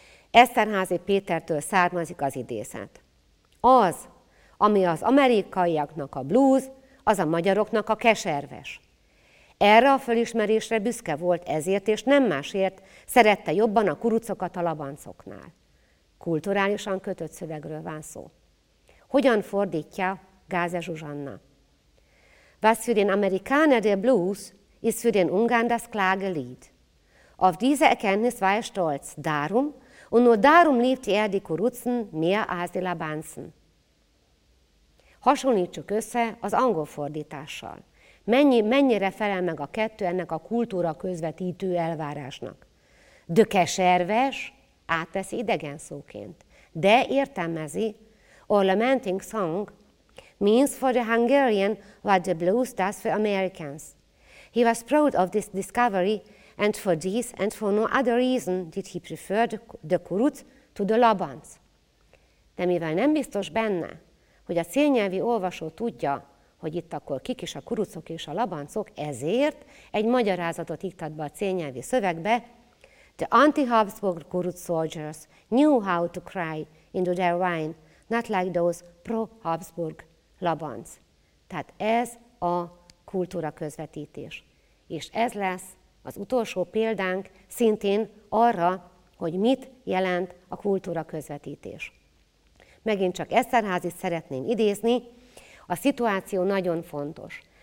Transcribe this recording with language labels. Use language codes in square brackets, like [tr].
[hu] Eszterházy Pétertől származik az idézet. Az, ami az amerikaiaknak a blues, az a magyaroknak a keserves. Erre a fölismerésre büszke volt ezért, és nem másért, szerette jobban a kurucokat a labancoknál. Kulturálisan kötött szövegről van szó. Hogyan fordítja Gáze Zsuzsanna? [de] Was für den Amerikaner der Blues ist für den Ungarn das Klagelied. Auf diese Erkenntnis war er stolz, darum, und nur darum liebte er die Kurucen mehr als die Labanzen. [hu] Hasonlítsuk össze az angol fordítással. Mennyire felel meg a kettő ennek a kultúra közvetítő elvárásnak? De keserves, átveszi idegen szóként. De értelmezi, [en] ornamenting song means for the Hungarian what the blues does for Americans. He was proud of this discovery, and for this and for no other reason did he prefer the kuruc to the labanc. [hu] De mivel nem biztos benne, hogy a célnyelvi olvasó tudja, hogy itt akkor kik is a kurucok és a labancok, ezért egy magyarázatot iktat be a célnyelvi szövegbe. [en] The anti-Habsburg kuruc soldiers knew how to cry into their wine, not like those pro-Habsburg labanc. [hu] Tehát ez a kultúra közvetítés. És ez lesz az utolsó példánk szintén arra, hogy mit jelent a kultúra közvetítés. Megint csak Eszterházyt szeretném idézni. A szituáció nagyon fontos.